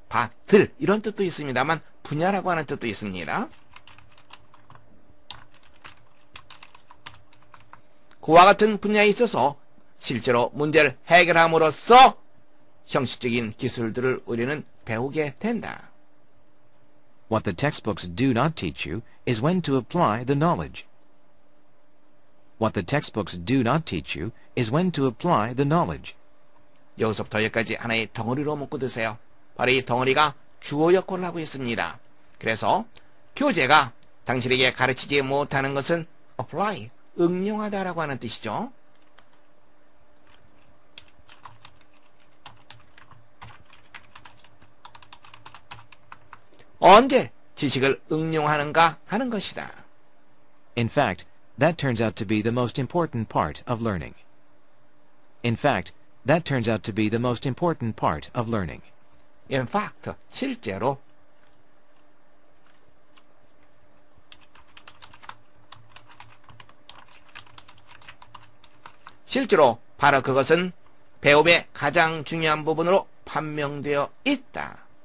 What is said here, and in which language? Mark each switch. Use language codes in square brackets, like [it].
[ko] 밭들 이런 뜻도 있습니다만 분야라고 하는 뜻도 있습니다. 그와 같은 분야에 있어서 실제로 문제를 해결함으로써 형식적인 기술들을 우리는 배우게 된다. [en] What the textbooks do not teach you is when to apply the knowledge. What the textbooks do not teach you is when to apply the knowledge. [ko] 여기서부터 여기까지 하나의 덩어리로 묶고 드세요. 바로 이 덩어리가 주어 역할을 하고 있습니다. 그래서 교재가 당신에게 가르치지 못하는 것은 apply, 응용하다라고 하는 뜻이죠. 언제 지식을 응용하는가 하는 것이다. [en] In fact, that turns out to be the most important part of learning. In fact, that turns out to be the most important part of learning. In fact, [ko] 실제로 실제로 바로 그것은 배움의 가장 중요한 부분으로 판명되어 있다.